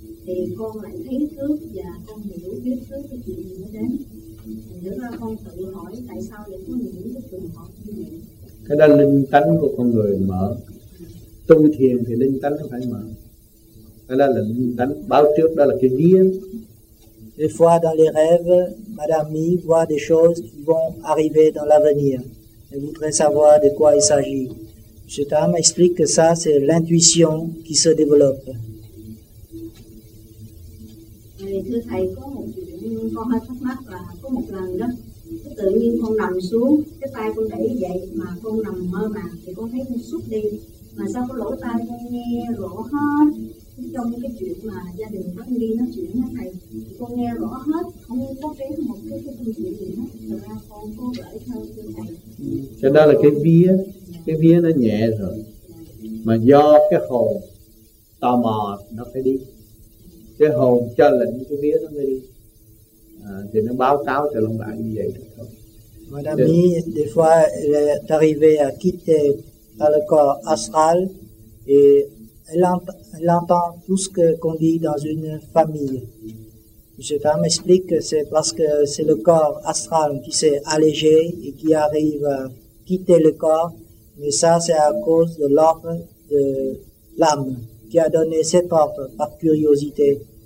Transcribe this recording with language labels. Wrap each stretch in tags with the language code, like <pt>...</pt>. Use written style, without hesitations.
<vi>Thì con lại thấy trước và con hiểu biết trước cái chuyện gì nó đến. Thành thử ra con tự hỏi tại sao lại có những cái trường hợp như vậy. Cái đó linh tánh của con người mở. Tu thiền thì linh tánh nó phải mở. Cái đó là linh tánh báo trước, đó là cái vía.</vi> <fr>Des fois dans les rêves, Madame Mi voit des choses qui vont arriver dans l'avenir. Elle voudrait savoir de quoi il s'agit. Cette âme explique que ça c'est l'intuition qui se développe.</fr> <vi>Thưa thầy, có một chuyện con hơi thắc mắc là có một lần đó, cái tự nhiên con nằm xuống, cái tay con đẩy dậy mà con nằm mơ màng thì con thấy con sút đi, mà sao có lỗ tai con nghe rõ hết trong cái chuyện mà gia đình con đi nói chuyện đó thầy, con nghe rõ hết, không có kém một cái câu chuyện gì hết, thật ra con có gửi thơ cho thầy. Cái đó là cái vía nó nhẹ rồi, mà do cái hồn tò mò nó phải đi. Cái hồn cho lệnh cái vía nó mới đi thì nó báo cáo cho lòng bạn như vậy thôi.</vi> <fr>Madame Mi, des fois, elle est arrivée à quitter par le corps astral et elle entend tout ce qu'on dit dans une famille. Cette femme explique que c'est parce que c'est le corps astral qui s'est allégé et qui arrive à quitter le corps, mais ça c'est à cause de l'ordre de l'âme qui a donné ses portes par curiosité.</fr>